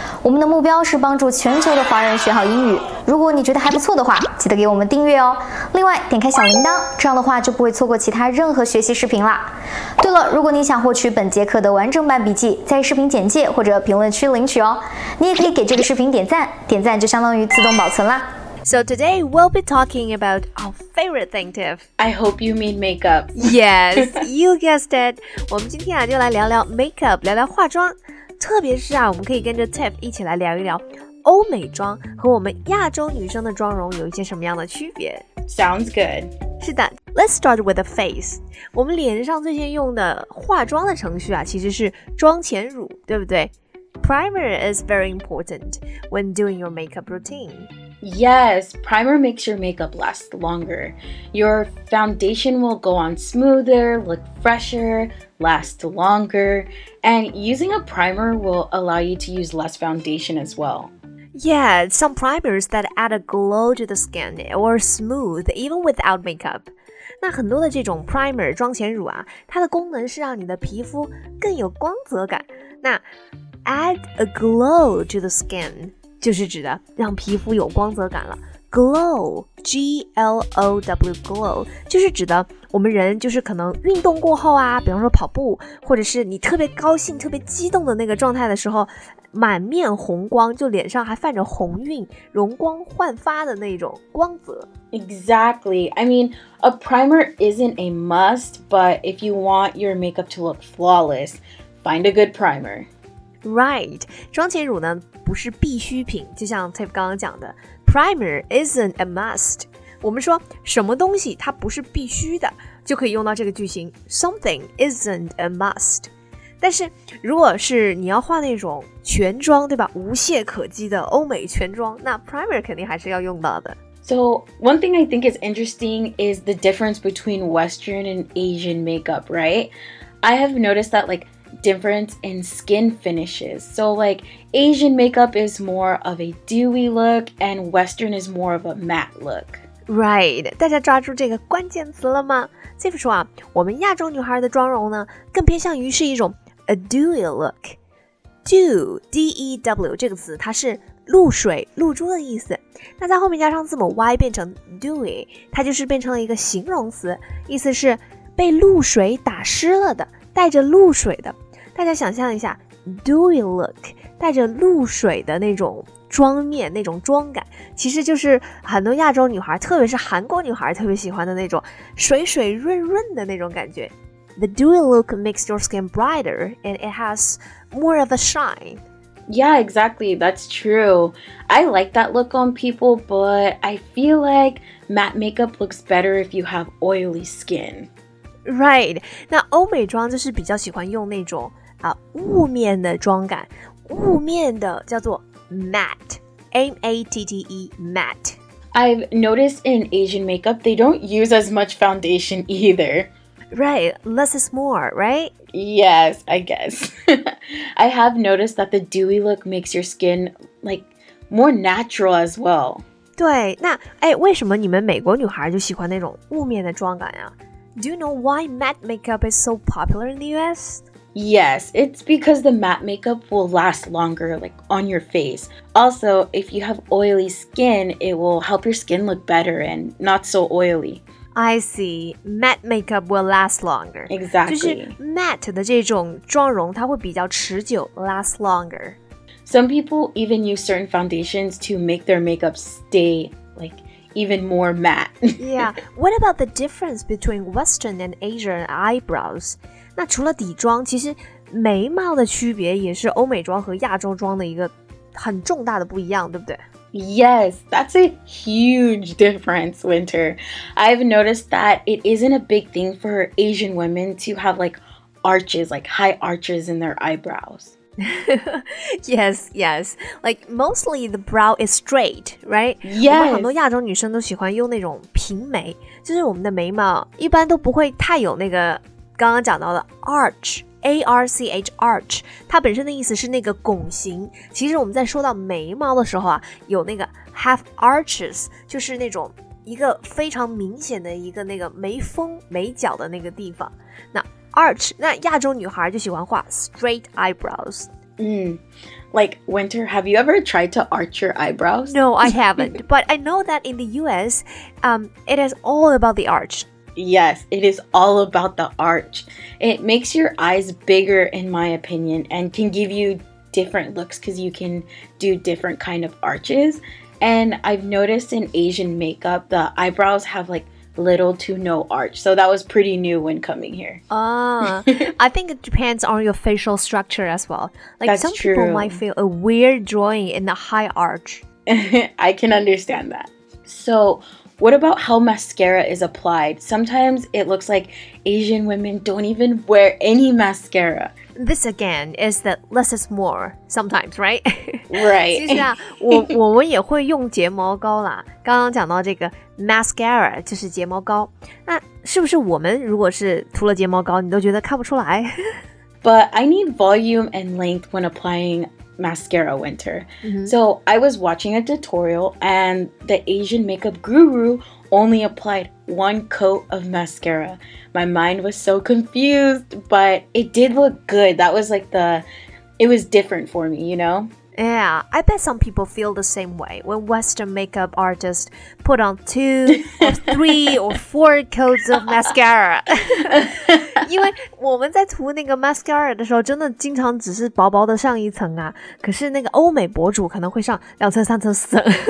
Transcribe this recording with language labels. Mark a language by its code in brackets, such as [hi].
[zh] 我们的目标是帮助全球的华人学好英语。如果你觉得还不错的话，记得给我们订阅哦。另外，点开小铃铛，这样的话就不会错过其他任何学习视频啦。对了，如果你想获取本节课的完整版笔记，在视频简介或者评论区领取哦。你也可以给这个视频点赞，点赞就相当于自动保存啦。 [en] So today we'll be talking about our favorite thing, Tiff. I hope you mean makeup. Yes, you guessed it. [zh] 我们今天啊就来聊聊 makeup, 聊聊化妆。特别是啊，我们可以跟着 Tiff 一起来聊一聊欧美妆和我们亚洲女生的妆容有一些什么样的区别。 [en] Sounds good. [zh] 是的。 [en] Let's start with the face. [zh] 我们脸上最先用的化妆的程序啊，其实是妆前乳，对不对？ [en] Primer is very important when doing your makeup routine. Yes, primer makes your makeup last longer. Your foundation will go on smoother, look fresher, last longer, and using a primer will allow you to use less foundation as well. Yeah, some primers that add a glow to the skin or smooth even without makeup. [zh] 那很多的这种 primer 妆前乳啊，它的功能是让你的皮肤更有光泽感。那 [en] add a glow to the skin [zh] 就是指的让皮肤有光泽感了。 Glow, G-L-O-W, glow 就是指的我们人就是可能运动过后啊，比方说跑步，或者是你特别高兴、特别激动的那个状态的时候，满面红光，就脸上还泛着红晕，容光焕发的那种光泽。 [en] Exactly. I mean, a primer isn't a must, but if you want your makeup to look flawless, find a good primer. [zh] Right. 妆前乳呢不是必需品，就像 Tiff 刚刚讲的 ， [en] primer isn't a must. [zh] 我们说什么东西它不是必须的，就可以用到这个句型 ， [en] something isn't a must. [zh] 但是如果是你要画那种全妆，对吧，无懈可击的欧美全妆，那 primer 肯定还是要用到的。 [en] So one thing I think is interesting is the difference between Western and Asian makeup, right? I have noticed that like difference in skin finishes. So like Asian makeup is more of a dewy look and Western is more of a matte look. [zh] Right, 大家抓住这个关键词了吗？Tiff 说啊，我们亚洲女孩的妆容呢，更偏向于是一种 [en] a dewy look. [zh] Dew, D-E-W 这个词，它是露水、露珠的意思。那在后面加上字母 Y 变成 dewy， 它就是变成了一个形容词，意思是被露水打湿了的，带着露水的。大家想象一下 ，dewy look， 带着露水的那种妆面，那种妆感，其实就是很多亚洲女孩，特别是韩国女孩特别喜欢的那种水水润润的那种感觉。 [en] The dewy look makes your skin brighter and it has more of a shine. Yeah, exactly. That's true. I like that look on people, but I feel like matte makeup looks better if you have oily skin. [zh] Right. 那欧美妆就是比较喜欢用那种雾面的妆感，雾面的叫做Matte, M-A-T-T-E, matte. [en] I've noticed in Asian makeup, they don't use as much foundation either. Right, less is more, right? Yes, I guess. I have noticed that the dewy look makes your skin, like, more natural as well. [zh] 对，那，哎，为什么你们美国女孩就喜欢那种雾面的妆感呀？ [en] Do you know why matte makeup is so popular in the U.S.? Yes, it's because the matte makeup will last longer, like, on your face. Also, if you have oily skin, it will help your skin look better and not so oily. I see. Matte makeup will last longer. Exactly. [zh] 就是 matte 的这种妆容它会比较持久 [en] last longer. Some people even use certain foundations to make their makeup stay, like, even more matte. Yeah. What about the difference between Western and Asian eyebrows? [zh] 那除了底妆，其实眉毛的区别也是欧美妆和亚洲妆的一个很重大的不一样，对不对？ [en] Yes, that's a huge difference, Winter. I've noticed that it isn't a big thing for Asian women to have like arches, like high arches in their eyebrows. Yes, yes. Like mostly the brow is straight, right? Yes. [zh] 我们很多亚洲女生都喜欢用那种平眉，就是我们的眉毛一般都不会太有那个刚刚讲到的 arch, A-R-C-H, arch, 它本身的意思是那个拱形。其实我们在说到眉毛的时候啊，有那个 [en] half arches, [zh] 就是那种一个非常明显的一个那个眉峰眉角的那个地方。那 arch, 那亚洲女孩就喜欢画 [en] straight eyebrows。 Like, Winter, have you ever tried to arch your eyebrows? No, I haven't. But I know that in the US, it is all about the arch. Yes, it is all about the arch. It makes your eyes bigger, in my opinion, and can give you different looks because you can do different kind of arches. And I've noticed in Asian makeup, the eyebrows have like little to no arch. So that was pretty new when coming here. I think it depends on your facial structure as well. Like, that's some true. People might feel a weird drawing in the high arch. I can understand that. So what about how mascara is applied? Sometimes it looks like Asian women don't even wear any mascara. This again is that less is more sometimes, right? Right. [zh] 其实啊，我们也会用睫毛膏啦。刚刚讲到这个 mascara 就是睫毛膏，那是不是我们如果是涂了睫毛膏，你都觉得看不出来？ [en] But I need volume and length when applying mascara, Winter. Mm-hmm. So I was watching a tutorial and the Asian makeup guru only applied one coat of mascara. My mind was so confused, but it did look good. That was like it was different for me, you know? Yeah, I bet some people feel the same way when Western makeup artists put on two or three or four coats of mascara. [zh] 因为我们在涂那个 mascara 的时候真的经常只是薄薄的上一层啊，可是那个欧美博主可能会上两层三层四层。